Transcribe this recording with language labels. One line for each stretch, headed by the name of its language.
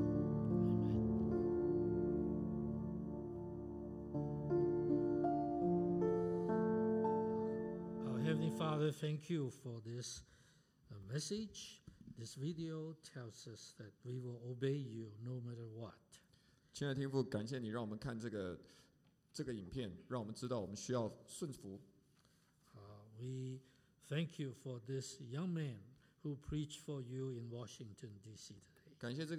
English: Amen. Our Heavenly Father, thank you for this message. This video tells us that we will obey you no matter what.
Chinese: 亲爱的天父, 感谢你让我们看这个影片, 让我们知道我们需要顺服。
English: We thank you for this young man who preached for you in Washington, D.C. today.